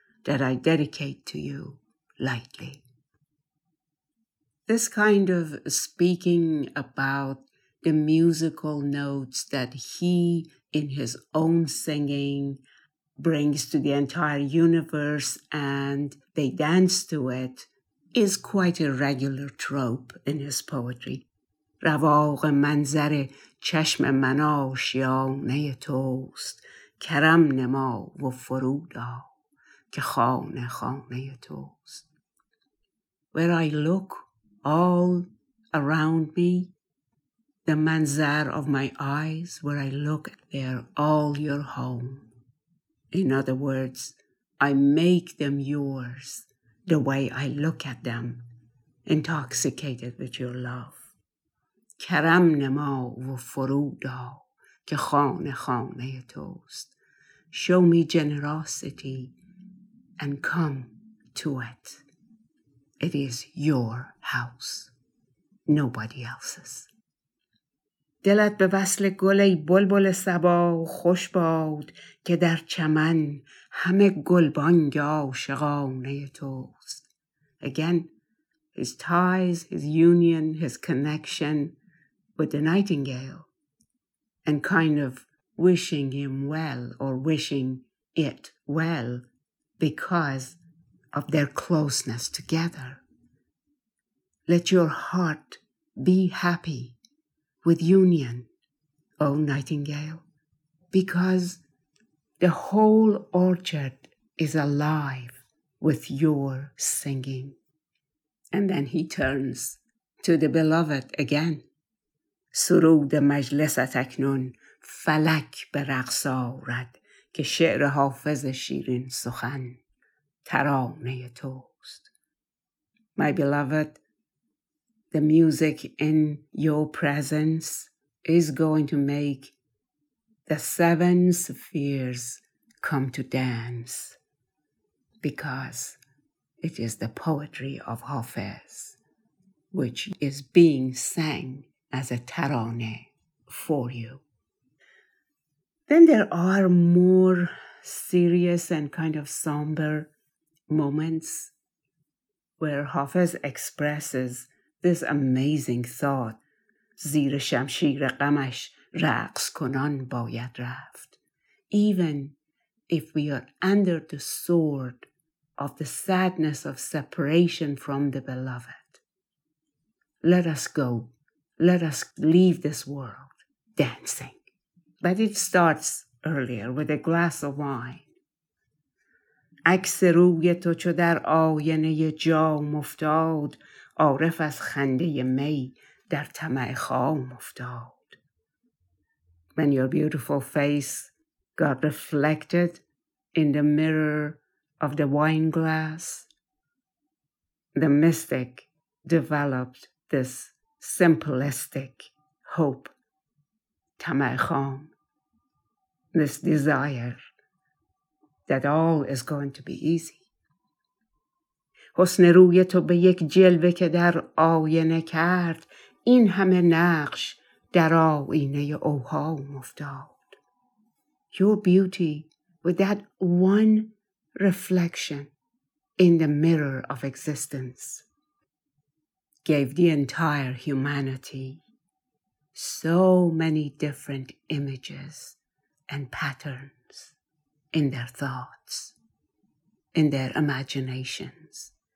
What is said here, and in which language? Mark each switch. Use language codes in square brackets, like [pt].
[en] that I dedicate to you lightly. This kind of speaking about the musical notes that he, in his own singing, brings to the entire universe and they dance to it is quite a regular trope in his poetry. [fa] رواق منظر چشم من آشیانه توست، کرم نما و فرودا که خانه خانه توست. [en] Where I look all around me, the manzar of my eyes, where I look there, all your home. In other words, I make them yours, the way I look at them, intoxicated with your love. [fa] کرم نما و فرودا که خانه خانه توست. [en] Show me generosity and come to it. It is your house, nobody else's. [fa] دلت به وصل گل ای بلبل صبا خوش باد که در چمن همه گلبانگ عاشقانه توست. [en] Again, his ties, his union, his connection with the nightingale and kind of wishing him well or wishing it well because of their closeness together. Let your heart be happy with union, O nightingale, because the whole orchard is alive with your singing. And then he turns to the beloved again. [fa] سرود مجلست اکنون فلک به رقص آورد که شعر حافظ شیرین سخن ترانه توست. [en] My beloved, the music in your presence is going to make the seven spheres come to dance because it is the poetry of Hafiz which is being sang as a tarane for you. Then there are more serious and kind of somber moments where Hafiz expresses this amazing thought, [fa] زیر شمشیر غمش رقص کنان باید رفت. [en] Even if we are under the sword of the sadness of separation from the beloved, let us go. Let us leave this world dancing. But it starts earlier with a glass of wine. [fa] عکس روی تو چو در آینه جام افتاد، عارف از خنده می در طمع خام افتاد. [en] When your beautiful face got reflected in the mirror of the wine glass, the mystic developed this simplistic hope, tamakham, this desire that all is going to be easy. [fa] حسن روی تو به یک جلوه که در آینه کرد این همه نقش در آینه اوهام افتاد. [en] Your beauty with that one reflection in the mirror of existence gave the entire humanity so many different images and patterns in their thoughts, in their imaginations.